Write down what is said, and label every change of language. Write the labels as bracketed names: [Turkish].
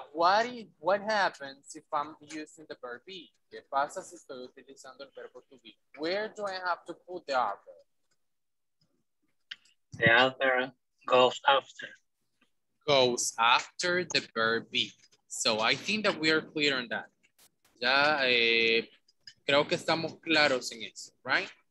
[English] What happens if I'm using the verb be? [Spanish] ¿Qué pasa si estoy utilizando el verbo to be? [English] Where do I have to put the adverb? The adverb goes after. Goes after the verb be. So I think that we are clear on that. [Spanish] Ya, creo que estamos claros en eso, right?